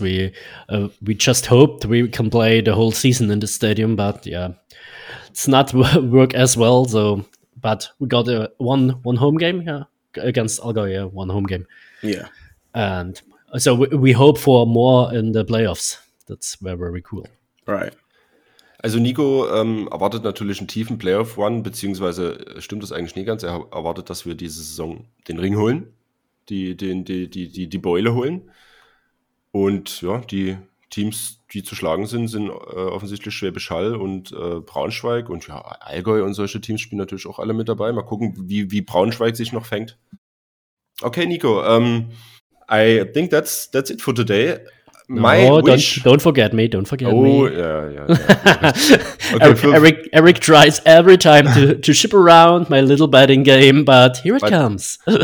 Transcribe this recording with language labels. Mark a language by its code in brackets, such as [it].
[en] We just hoped we can play the whole season in the stadium, but yeah, it's not work as well. So, but we got one home game here against Allgäu. Yeah, one home game. Yeah, and so we hope for more in the playoffs. That's very, very cool. Right. [de] Also Nico erwartet natürlich einen tiefen Playoff-Run, beziehungsweise stimmt das eigentlich nicht ganz, er erwartet, dass wir diese Saison den Ring holen, die Beule holen. Und ja, die Teams, die zu schlagen sind, sind offensichtlich Schwäbisch Hall und Braunschweig. Und ja, Allgäu und solche Teams spielen natürlich auch alle mit dabei. Mal gucken, wie Braunschweig sich noch fängt. [en] Okay, Nico, I think that's it for today. My oh, don't forget me. Oh, yeah. Okay, Eric tries every time to ship around my little betting game, but here it comes.